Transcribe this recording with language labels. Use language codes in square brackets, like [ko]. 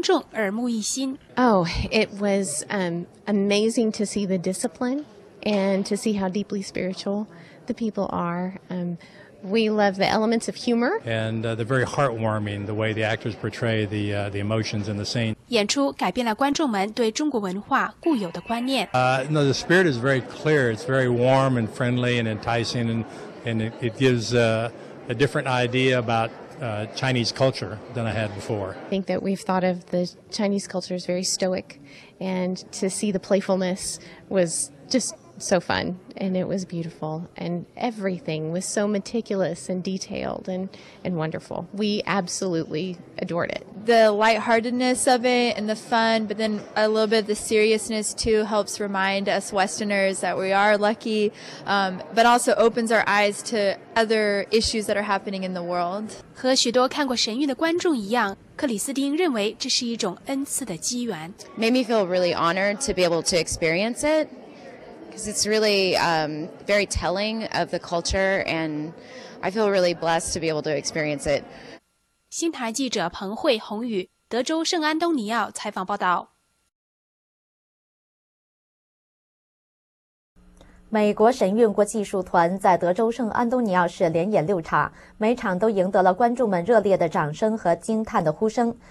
[zh] 演员们善于通过动作、表情和道具表达情感，也让观众耳目一新。 Oh, [en] it was amazing to see the discipline and to see how deeply spiritual the people are. We love the elements of humor. And they're very heartwarming, the way the actors portray the emotions in the scene. [zh] 演出改变了观众们对中国文化固有的观念。 [en] No, the spirit is very clear. It's very warm and friendly and enticing, and it gives... a different idea about Chinese culture than I had before. I think that we've thought of the Chinese culture as very stoic, and to see the playfulness was just so fun, and it was beautiful, and everything was so meticulous and detailed and wonderful. We absolutely adored it. The lightheartedness of it and the fun, but then a little bit of the seriousness too helps remind us Westerners that we are lucky, but also opens our eyes to other issues that are happening in the world. [zh] 和许多看过神韵的观众一样，克里斯汀认为这是一种恩赐的机缘。 [en] Made me feel really honored to be able to experience it, because it's really very telling of the culture, and I feel really blessed to be able to experience it. [zh] 新台记者彭慧宏宇，德州圣安东尼奥采访报道。美国神韵国技术团在德州圣安东尼奥市连演六场，每场都赢得了观众们热烈的掌声和惊叹的呼声。